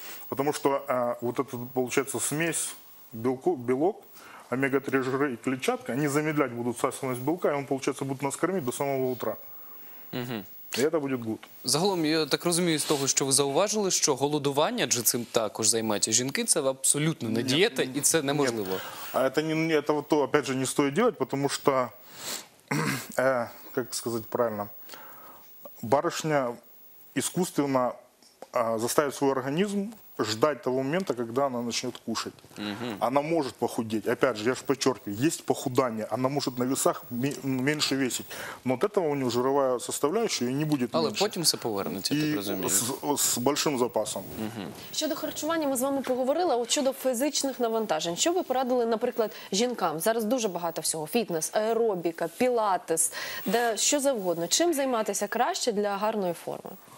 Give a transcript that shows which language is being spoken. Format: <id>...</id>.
<ru>Потому что вот это получается смесь белок, омега-3 жиры и клетчатка, они замедлять будут всасываемость белка, и он, получается, будет нас кормить до самого утра. И это будет гуд.</ru> <uk>Загалом, я так розумію з того, що ви зауважили, що голодування, адже цим також займаються жінки, це абсолютно не дієта, і це неможливо.</uk> <ru>А это вот то, опять же, не стоит делать, потому что, как сказать правильно, барышня искусственно заставит свой организм ждать того момента, когда она начнет кушать. Она может похудеть. Опять же, я же подчеркиваю, есть похудание. Она может на весах меньше весить. Но от этого у нее жировая составляющая не будет меньше.</ru> <uk>Але потім все повернуть, я так розумію.</uk> <ru>С большим запасом.</ru> <uk>Щодо харчування ми з вами поговорили, а от щодо фізичних навантажень, що ви порадили, наприклад, жінкам? Зараз дуже багато всього. Фітнес, аеробіка, пілатес, де що завгодно. Чим займатися краще для гарної форми?</uk>